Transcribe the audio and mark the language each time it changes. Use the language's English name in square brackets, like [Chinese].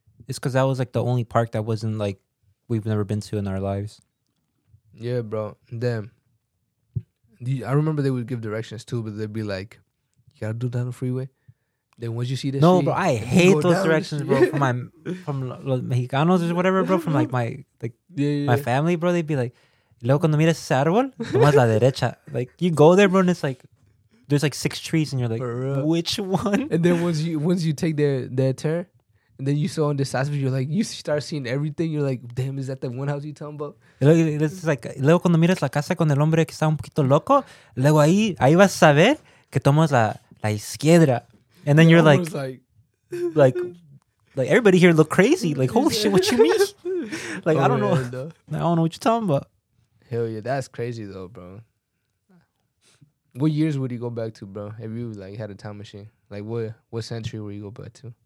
[English] It's because that was like the only park that wasn't like we've never been to in our lives. Yeah, bro. Damn. I remember they would give directions too, but they'd be like, you gotta do down the freeway. Then once you see this, no, street, bro, I hate those directions, bro. From Mexicanos or whatever, bro. From like my family, bro. They'd be like, [Spanish] luego cuando miras ese árbol, tomas la derecha. [English] Like you go there, bro, and it's like there's like six trees, and you're like, which one? And then once you take their turn, and then you saw on the side, you're like, you start seeing everything. You're like, damn, is that the one house you're talking about? It's like [Spanish] luego cuando miras la casa con el hombre que está un poquito loco, luego ahí vas a saber que tomas la izquierda. [English] And then you're like everybody here look crazy. Like, holy shit, what you mean? Like, oh, I don't know. Yeah, I don't know what you're talking about. Hell yeah, that's crazy though, bro. What years would you go back to, bro? If you like had a time machine? Like what century would you go back to?